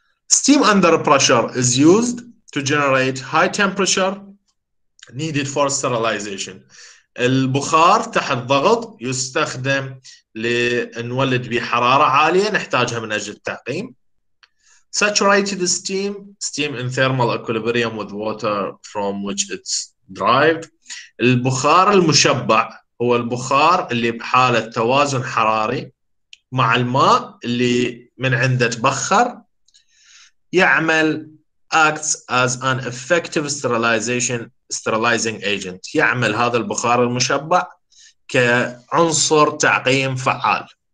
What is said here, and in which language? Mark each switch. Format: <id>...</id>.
<en>steam under pressure is used to generate high temperature needed for sterilization.</en> <ar>البخار تحت ضغط يستخدم لنولد بحرارة عالية نحتاجها من اجل التعقيم.</ar> <en>saturated steam in thermal equilibrium with water from which it's derived.</en> <ar>البخار المشبع هو البخار اللي بحالة توازن حراري مع الماء اللي من عنده تبخر، يعمل</ar> <en>acts as an effective sterilizing agent،</en> <ar>يعمل هذا البخار المشبع كعنصر تعقيم فعال.</ar>